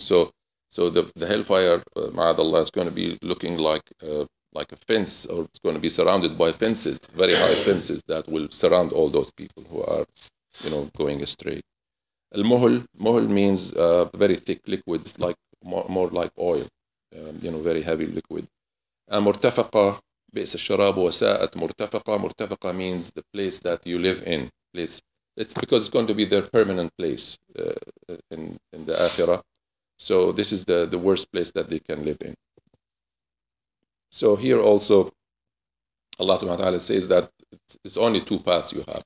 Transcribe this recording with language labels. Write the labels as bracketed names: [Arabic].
[English] So the hellfire, ma'adallah, is going to be looking like a fence, or it's going to be surrounded by fences, very high fences that will surround all those people who are, you know, going astray. Al-muhl means very thick liquid, like more like oil, you know, very heavy liquid. [Arabic] Murtafaqa, بئس الشراب وساءت مرتفقة. [English] مرتفقة means the place that you live in. Place. It's because it's going to be their permanent place in the Akhirah. So this is the worst place that they can live in. So here also, Allah subhanahu wa ta'ala says that it's only two paths you have.